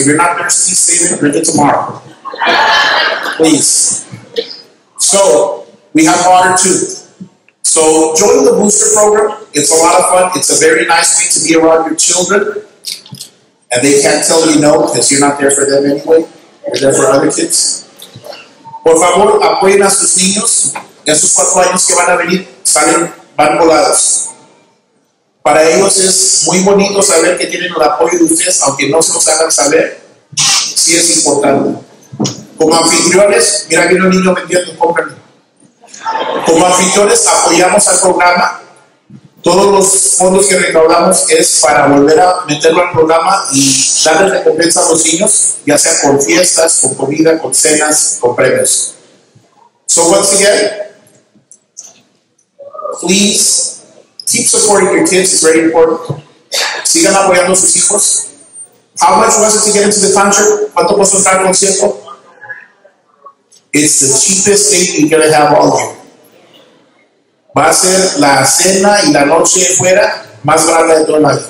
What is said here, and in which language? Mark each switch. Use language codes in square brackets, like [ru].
[en] If you're not thirsty, save it. Drink it tomorrow. Please. So, we have water too. So, join the booster program. It's a lot of fun. It's a very nice way to be around your children. And they can't tell you no because you're not there for them anyway. You're there for other kids. [es] Por favor, apoyen a sus niños. Esos 4 años que van a venir salen, van volados. Para ellos es muy bonito saber que tienen el apoyo de ustedes, aunque no se los hagan saber. Sí es importante. Como anfitriones, mira que un niño vendiendo, cómprame. Como anfitriones, apoyamos al programa. Todos los fondos que recaudamos es para volver a meterlo al programa y darle recompensa a los niños, ya sea con fiestas, con comida, con cenas, con premios. [en] So once again, please keep supporting your kids, it's very important. [es] Sigan apoyando a sus hijos. [en] How much was it to get into the concert? [es] ¿Cuánto costó entrar al concierto? [en] It's the cheapest thing you're going to have all year. [es] Va a ser la cena y la noche fuera más barata de todo el año.